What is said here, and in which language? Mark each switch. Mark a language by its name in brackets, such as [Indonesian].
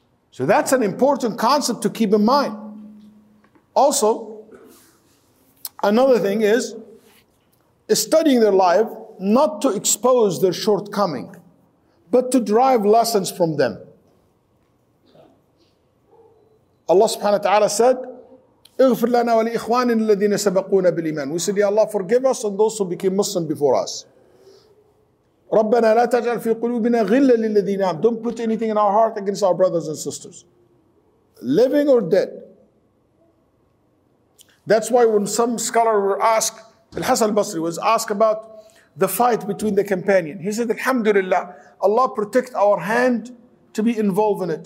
[English] So that's an important concept to keep in mind. Also, another thing is studying their life, not to expose their shortcoming, but to derive lessons from them. [Arabic] Allah subhanahu wa ta'ala said, اغفر لنا والإخوان الذين سبقونا بالإيمان. [English] We said, Ya Allah, forgive us and those who became Muslim before us. [Arabic] ربنا لا تجعل في قلوبنا غلا للذين آمنوا. [English] Don't put anything in our heart against our brothers and sisters, living or dead. That's why when some scholar were asked, Al-Hasan al-Basri was asked about the fight between the companion. He said, Alhamdulillah, Allah protect our hand to be involved in it.